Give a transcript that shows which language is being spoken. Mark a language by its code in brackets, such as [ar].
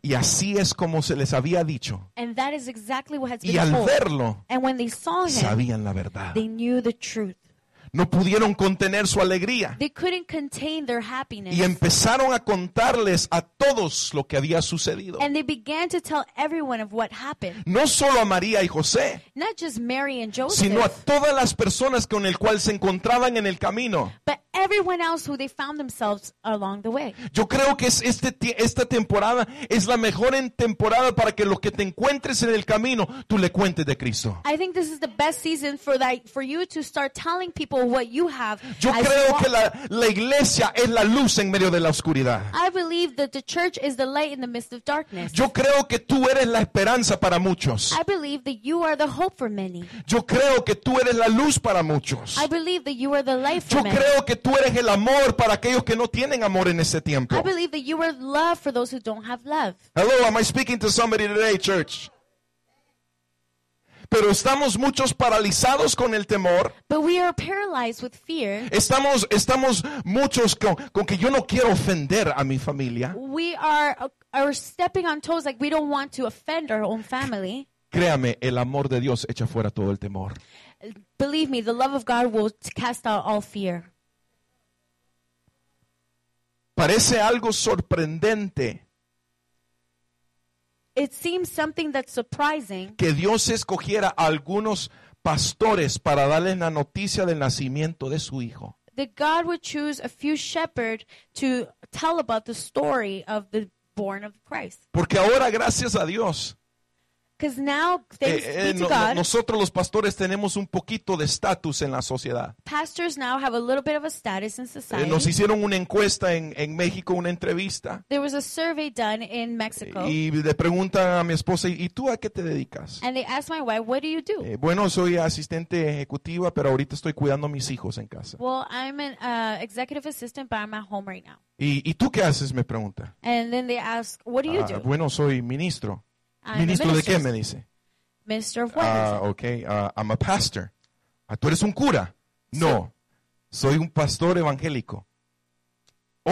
[es] Y así es como se les había dicho. [en] And that is exactly what has been told. [es] Y al [en] told. [es] Verlo, [en] and when they saw him, [es] sabían la verdad. [en] They knew the truth. [es] No pudieron contener su alegría. [en] They couldn't contain their happiness. [es] Y empezaron a contarles a todos lo que había sucedido. [en] And they began to tell everyone of what happened. [es] No solo a María y José. [en] Not just Mary and Joseph. [es] Sino a todas las personas con el cual se encontraban en el camino. [en] But everyone else who they found themselves along the way. [es] Yo creo que esta temporada es la mejor temporada para que los que te encuentres en el camino, tú le cuentes de Cristo. [en] I think this is the best season for you to start telling people what you have. [es] Yo creo que la iglesia es la luz en medio de la oscuridad. [en] I believe that the church is the light in the midst of darkness. [es] Yo creo que tú eres la esperanza para muchos. [en] I believe that you are the hope for many. [es] Yo creo que tú eres la luz para muchos. [en] I believe that you are the life for [es] yo [en] many. [es] Yo creo que tú eres el amor para aquellos que no tienen amor en este tiempo. [en] I believe that you are love for those who don't have love. Hello, am I speaking to somebody today, church? [es] Pero estamos muchos paralizados con el temor. [en] But we are paralyzed with fear. [es] Estamos muchos con que yo no quiero ofender a mi familia. [en] We are stepping on toes like we don't want to offend our own family. [es] Créame, el amor de Dios echa fuera todo el temor. [en] Believe me, the love of God will cast out all fear. [es] Parece algo sorprendente. [en] it seems something that's surprising. [es] Que Dios escogiera algunos pastores para darles la noticia del nacimiento de su hijo. [en] That God would choose a few shepherds to tell about the story of the born of Christ. [es] Porque ahora, gracias a Dios. [en] Because now, thanks be to God. [es] Nosotros los pastores tenemos un poquito de estatus en la sociedad. [en] Pastors now have a little bit of a status in society. [es] Nos hicieron una encuesta en México, una entrevista. [en] There was a survey done in Mexico. [es] Y le preguntan a mi esposa, ¿y tú a qué te dedicas? [en] And they asked my wife, what do you do? [es] Bueno, soy asistente ejecutiva, pero ahorita estoy cuidando a mis hijos en casa. [en] Well, I'm an executive assistant, but I'm at home right now. [es] ¿Y tú qué haces? Me pregunta. [en] And then they ask, what do you do? [es] Bueno, soy ministro. ¿Ministro de qué? Me dice. [en] Minister of what? I'm a pastor. [es] ¿Tú eres un cura? No. Soy un pastor evangélico. Oh.